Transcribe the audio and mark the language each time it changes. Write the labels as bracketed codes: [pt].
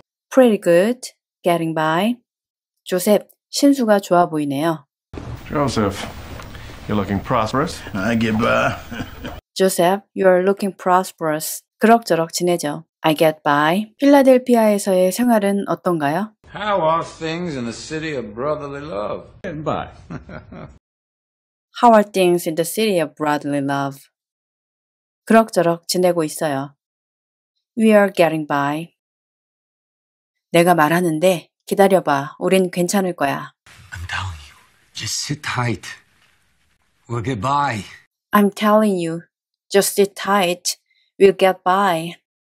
[en] Pretty good. Getting by. Joseph, [ko] 신수가 좋아 보이네요. [en] Joseph, you're looking prosperous. I get by. Joseph, you're looking prosperous. [ko] 그럭저럭 지내죠. [en] I get by. [ko] 필라델피아에서의 생활은 어떤가요? [en] How are things in the city of brotherly love? Getting by. How are things in the city of brotherly love? [ko] 그럭저럭 지내고 있어요. [en] We are getting by. [ko] 내가 말하는데 기다려봐. 우린 괜찮을 거야. [en] I'm telling you, just sit tight. We'll get by. I'm telling you, just sit tight. We'll get by.